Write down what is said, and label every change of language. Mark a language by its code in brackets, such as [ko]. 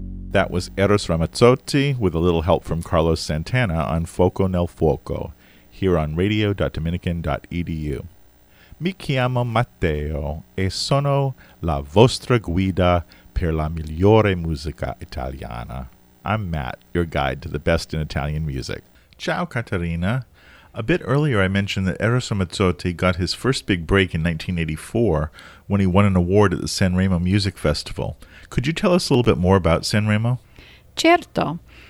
[en] That was Eros Ramazzotti with a little help from Carlos Santana on Fuoco nel Fuoco, here on radio.dominican.edu. [it] Mi chiamo Matteo e sono la vostra guida per la migliore musica italiana. [en] I'm Matt, your guide to the best in Italian music. Ciao, Caterina. A bit earlier I mentioned that Eros Ramazzotti got his first big break in 1984 when he won an award at the Sanremo Music Festival. Could you tell us a little bit more about Sanremo? [it] Certo.